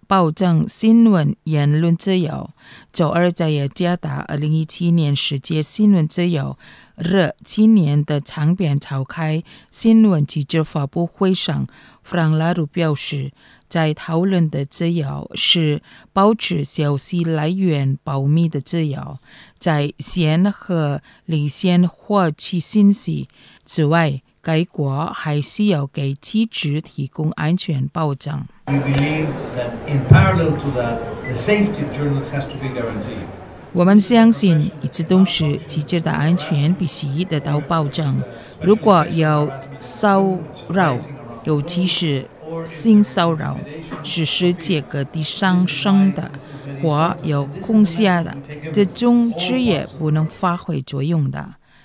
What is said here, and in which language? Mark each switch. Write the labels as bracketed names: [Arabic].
[Chinese] 保证新闻言论自由。周二在也加达2017年世界新闻自由日今年的长篇召开新闻记者发布会上，弗朗拉鲁表示，在讨论的自由是保持消息来源保密的自由，在先和领先获取信息之外，该国还需要给记者提供安全保障。 [English] We believe that in parallel to that, the safety of journalists has to be guaranteed. [Chinese] 我们相信，与此同时，记者的安全必须得到保障。如果有骚扰，尤其是性骚扰，是世界各地上升的，或有空下的，这种职业不能发挥作用的。